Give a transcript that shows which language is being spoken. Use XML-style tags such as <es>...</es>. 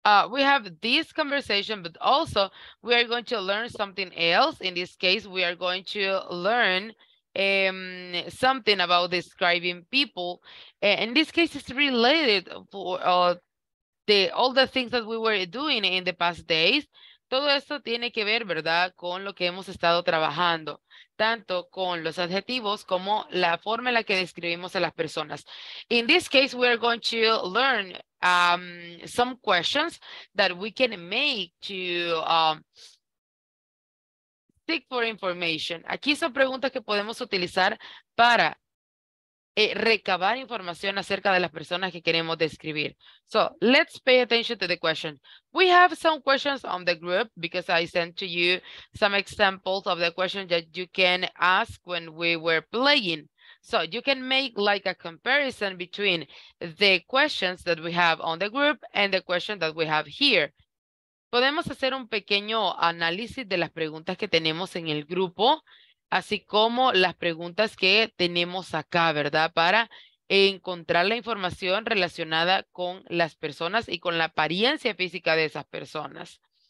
<en>We have this conversation, but also we are going to learn something else. In this case, we are going to learn something about describing people. And in this case, it's related for all the things that we were doing in the past days.</en> <es>Todo esto tiene que ver, ¿verdad?, con lo que hemos estado trabajando, tanto con los adjetivos como la forma en la que describimos a las personas.</es> <en>In this case, we are going to learn some questions that we can make to seek for information.</en> <es>Aquí son preguntas que podemos utilizar para recabar información acerca de las personas que queremos describir.</es> <en>So, let's pay attention to the question. We have some questions on the group because I sent to you some examples of the questions that you can ask when we were playing. So, you can make like a comparison between the questions that we have on the group and the question that we have here.</en> <es>Podemos hacer un pequeño análisis de las preguntas que tenemos en el grupo, así como las preguntas que tenemos acá, ¿verdad? Para encontrar la información relacionada con las personas y con la apariencia física de esas personas.</es>